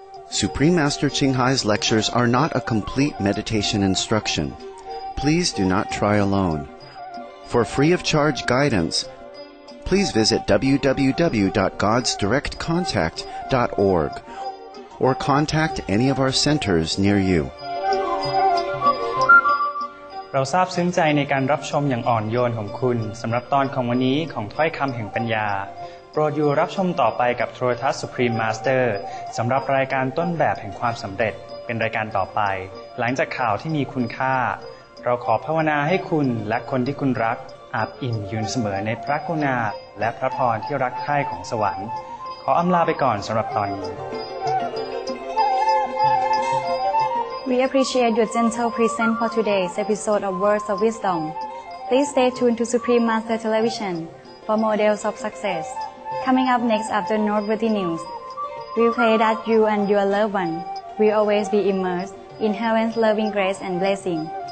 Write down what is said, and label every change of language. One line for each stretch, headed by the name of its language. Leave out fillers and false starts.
English: Supreme Master Qinghai's lectures are not a complete meditation instruction. Please do not try alone. For free of charge guidance, please visit www.godsdirectcontact.org or contact any of our centers near you.
Thai: เราซาบซึ้งใจในการรับชมอย่างอ่อนโยนของคุณสำหรับตอนของวันนี้ของถ้อยคำแห่งปัญญาโปรดอยู่รับชมต่อไปกับโทรทัศน์ Supreme Master สำหรับรายการต้นแบบแห่งความสำเร็จเป็นรายการต่อไปหลังจากข่าวที่มีคุณค่าเราขอภาวนาให้คุณและคนที่คุณรักอาบอิ่มยืนเสมอในพระกรุณาและพระพรที่รักใคร่ของสวรรค์ขออำลาไปก่อนสำหรับตอนนี้
English: We appreciate your gentle present for today's episode of Words of Wisdom Please stay tuned to Supreme Master Television for Models of SuccessComing up next after Noteworthy News, we pray that you and your loved one will always be immersed in heaven's loving grace and blessing.